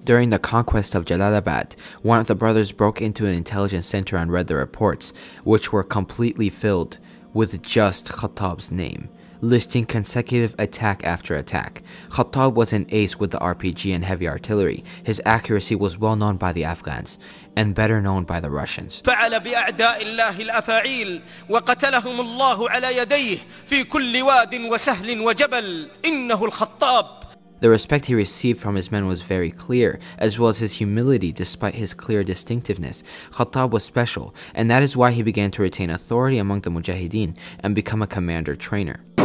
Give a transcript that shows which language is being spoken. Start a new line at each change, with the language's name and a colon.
English: During the conquest of Jalalabad, one of the brothers broke into an intelligence center and read the reports, which were completely filled with just Khattab's name, listing consecutive attack after attack. Khattab was an ace with the RPG and heavy artillery. His accuracy was well known by the Afghans and better known by the Russians.
Arabic: فعل بأعداء الله الأفاعيل وقتلهم الله على يديه في كل واد وسهل وجبل إنه الخطاب.
English: The respect he received from his men was very clear, as well as his humility despite his clear distinctiveness. Khattab was special, and that is why he began to retain authority among the Mujahideen and become a commander trainer.